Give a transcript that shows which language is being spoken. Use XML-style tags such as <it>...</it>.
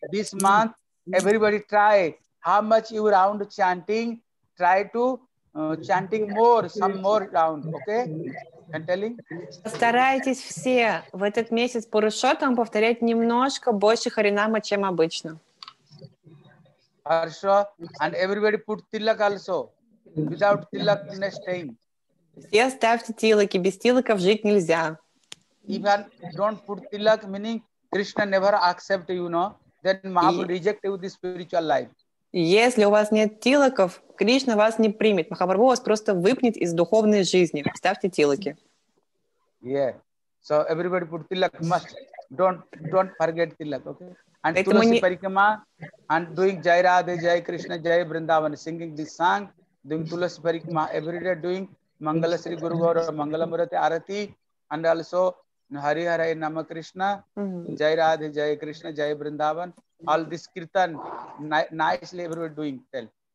<en>This month, everybody try how much you round chanting. Try to chanting more, some more round. Okay.</en> <ru>Постарайтесь все в этот месяц по расчетам повторять немножко больше харинама, чем обычно. Хорошо.</ru> <en>And everybody put tilak also. Without tilak, no staying.</en> <ru>Все ставьте тилаки. Без тилаков жить нельзя.</ru> <en>Even don't put tilak, meaning Krishna never accept you, no? Then Mahaprabhu reject you this spiritual life.</en> <ru>Если у вас нет тилаков, Кришна вас не примет. Махапрабху вас просто выпнет из духовной жизни. Ставьте тилаки.</ru> <en>Yeah. So everybody put tilak must. Don't forget tilak, okay? And</en> <ru>Tulasi не...</ru> <en>Parikrama and doing Jai Radhe, Jai Krishna, Jai Vrindavan, singing this song, doing Tulasi Parikrama, every day doing Mangala Sri Guru Gaura, Mangala Murati Arati, and also Hari Harai Nama Krishna, Jai Radhe, Jai Krishna, Jai Vrindavan, all this kirtan nicely everybody doing tell.</en>